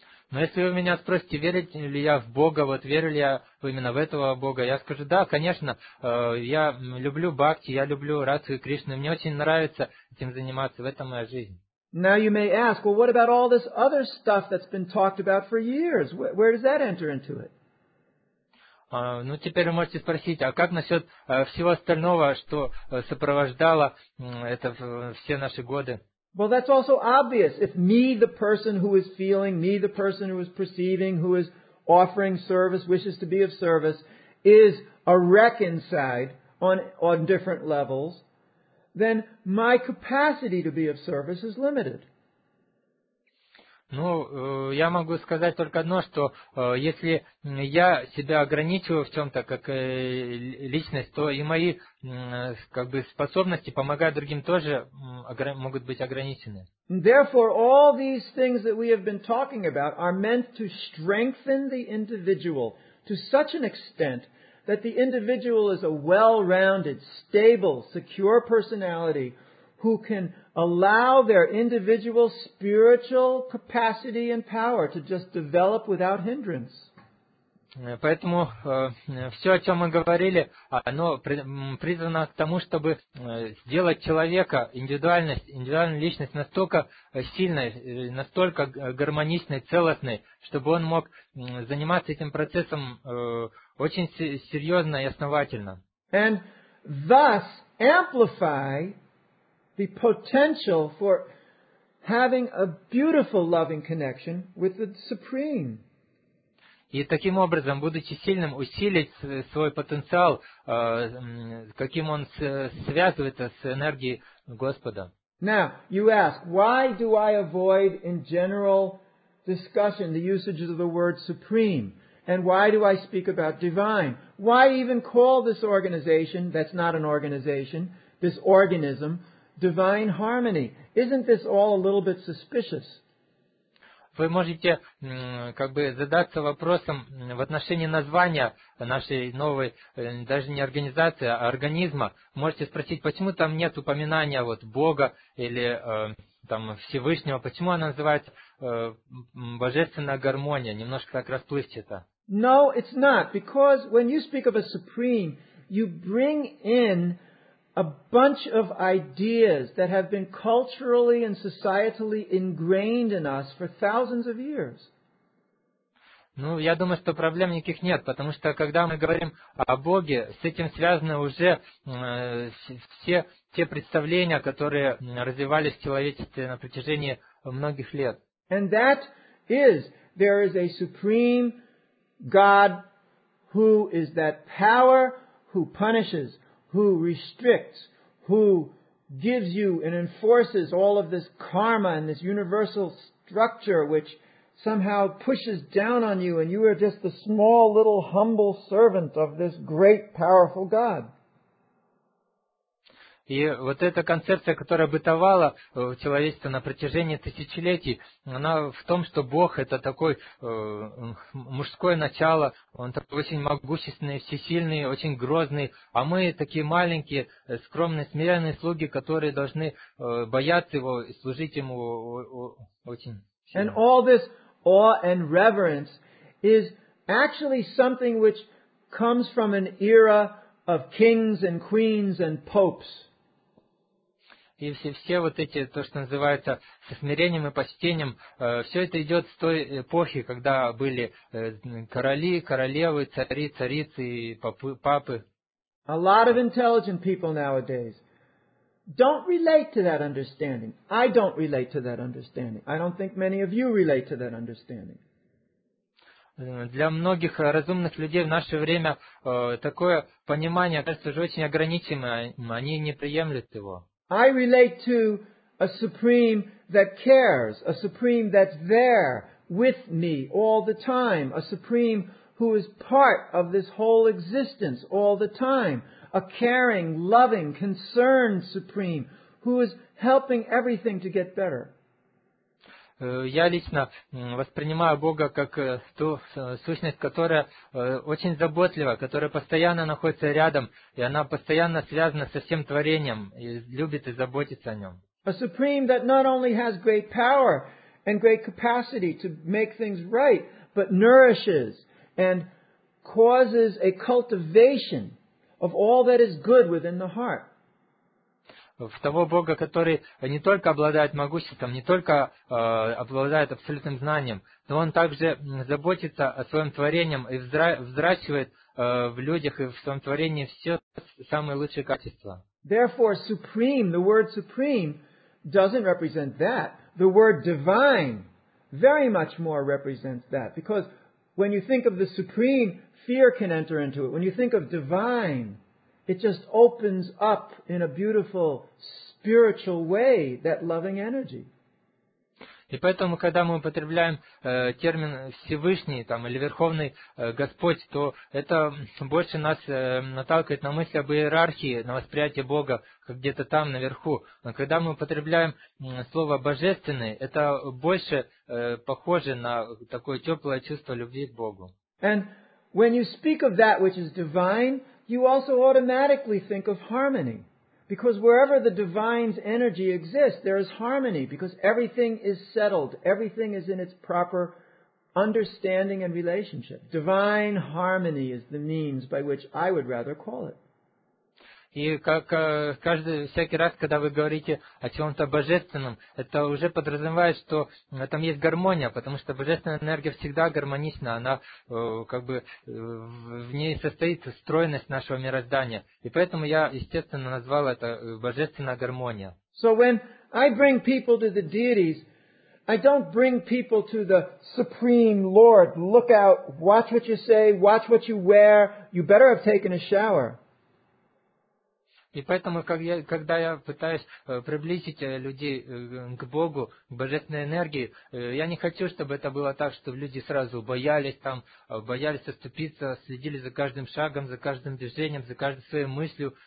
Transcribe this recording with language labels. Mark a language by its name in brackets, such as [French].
[Russian] Но если вы меня спросите, верю ли я в Бога, вот верю ли я именно в этого Бога, я скажу, да, конечно, я люблю бхакти, я люблю Радху Кришну, мне очень нравится этим заниматься, в этом моя жизнь. [English] Now you may ask, well, what about all this other stuff that's been talked about for years? Where does that enter into it? [Russian] Ну, теперь вы можете спросить, а как насчет всего остального, что сопровождало это все наши годы? [English] Well, that's also obvious. If me, the person who is feeling, me, the person who is perceiving, who is offering service, wishes to be of service, is a wreck inside on different levels, then my capacity to be of service is limited. [Russian] Ну, я могу сказать только одно, что если я себя ограничиваю в чем-то, как личность, то и мои как бы способности помогать другим тоже могут быть ограничены. [English] Therefore, all these things that we have been talking about are meant to strengthen the individual to such an extent that the individual is a well-rounded, stable, secure personality who can allow their individual spiritual capacity and power to just develop without hindrance. [Russian] Поэтому все, о чем мы говорили, оно призвано к тому, чтобы сделать человека, индивидуальную личность настолько сильной, настолько гармоничной, целостной, чтобы он мог заниматься этим процессом очень серьезно и основательно. [English] And thus amplify the potential for having a beautiful loving connection with the Supreme. [Russian] И таким образом, будучи сильным, усилить свой потенциал, каким он связывается с энергией Господа. [English] Now, you ask, why do I avoid in general discussion the usages of the word Supreme? And why do I speak about divine? Why even call this organization, that's not an organization, this organism, divine harmony. Isn't this all a little bit suspicious? [Russian] Вы можете как бы задаться вопросом в отношении названия нашей новой, даже не организации, а организма. Можете спросить, почему там нет упоминания вот Бога или там Всевышнего, почему она называется Божественная гармония, немножко так расплывчато. [English] No, it's not, because when you speak of a supreme, you bring in a bunch of ideas that have been culturally and societally ingrained in us for thousands of years. [Russian] Ну, я думаю, что проблем никаких нет, потому что когда мы говорим о Боге, с этим связаны уже все те представления, которые развивались в человечестве на протяжении многих лет. [English] And that is, there is a supreme God who is that power who punishes, who restricts, who gives you and enforces all of this karma and this universal structure which somehow pushes down on you and you are just the small little humble servant of this great powerful God. [Russian] И вот эта концепция, которая бытовала в человечестве на протяжении тысячелетий, она в том, что Бог – это такой мужское начало, он такой очень могущественный, всесильный, очень грозный, а мы такие маленькие, скромные, смиренные слуги, которые должны бояться Его и служить Ему очень сильно. [English] And all this awe and reverence is actually something which comes from an era of kings and queens and popes. [Russian] И все вот эти, то, что называется, со смирением и почтением, все это идет с той эпохи, когда были короли, королевы, цари, царицы и папы. [English] A lot of intelligent people nowadays don't relate to that understanding. I don't relate to that understanding. I don't think many of you relate to that understanding. [Russian] Для многих разумных людей в наше время такое понимание кажется же очень ограниченным, они не приемлют его. [English] I relate to a supreme that cares, a supreme that's there with me all the time, a supreme who is part of this whole existence all the time, a caring, loving, concerned supreme who is helping everything to get better. [Russian] Я лично воспринимаю Бога как ту сущность, которая очень заботлива, которая постоянно находится рядом, и она постоянно связана со всем творением, и любит и заботится о нем. [English] A supreme that not only has great power and great capacity to make things right, but nourishes and causes a cultivation of all that is good within the heart. [Russian] В того Бога, который не только обладает могуществом, не только обладает абсолютным знанием, но он также заботится о своем творении и взращивает в людях и в своем творении все самые лучшие качества. [English] Therefore, supreme, the word supreme, doesn't represent that. The word divine very much more represents that. Because when you think of the supreme, fear can enter into it. When you think of divine, it just opens up in a beautiful spiritual way that loving energy. [Russian] И поэтому, когда мы употребляем термин Всевышний там, или Верховный Господь, то это больше нас наталкивает на мысль об иерархии, на восприятие Бога, как где-то там, наверху. Но когда мы употребляем слово Божественный, это больше похоже на такое теплое чувство любви к Богу. [English] And when you speak of that which is divine, you also automatically think of harmony. Because wherever the divine's energy exists, there is harmony, because everything is settled, everything is in its proper understanding and relationship. Divine harmony is the means by which I would rather call it. [Russian] И как всякий раз, когда вы говорите о чем-то божественном, это уже подразумевает, что там есть гармония, потому что божественная энергия всегда гармонична, она как бы в ней состоит стройность нашего мироздания. И поэтому я, естественно, назвал это божественная гармония. [English] So when I bring people to the deities, I don't bring people to the Supreme Lord. Look out, watch what you say, watch what you wear. You better have taken a shower. [Russian] И поэтому, когда я пытаюсь приблизить людей к Богу, к божественной энергии, я не хочу, чтобы это было так, что люди сразу боялись там, боялись оступиться, следили за каждым шагом, за каждым движением, за каждой своей мыслью.